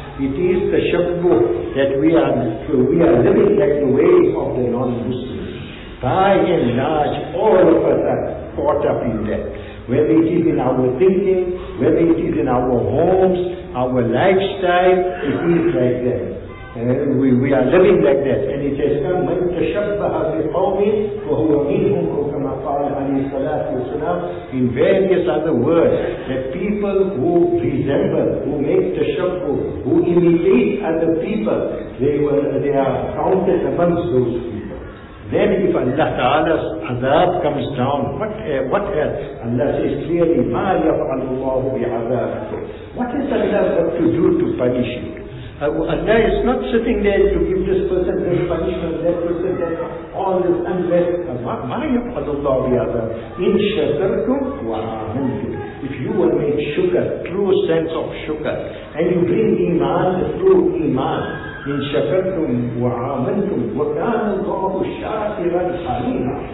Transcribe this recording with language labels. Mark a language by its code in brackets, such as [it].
[en] It is the shabbu that we are living like the ways of the non-Muslims. By and large, all of us are caught up in that. Whether it is in our thinking, whether it is in our homes, our lifestyle, it is like that. And we are living like that. And it has come, [ar] مَنْ تَشَبَّهَ بِقَوْمٍ فَهُوَ مِنْهُمْ كَمَا قَالَ عَلَيْهِ صَلَاةُ وَسَلَامُ. [en] In various other words, that people who resemble, who make tashabbuh, who imitate other people, they are counted amongst those people. Then if Allah Ta'ala's azab comes down, what else? Allah says clearly, [ar] مَا يَفْعَلُ اللَّهُ بِعَذَابِكُمْ. [en] What is Allah got to do to punish you? Allah is not sitting there to give this person this punishment, that person that, all this unrest. [ar] In shakartum wa amantum. [en] If you will make shukr, true sense of shukr, and you bring iman, the true iman, [ar] in shakartum wa amantum wa kana Allahu shakiran haleema.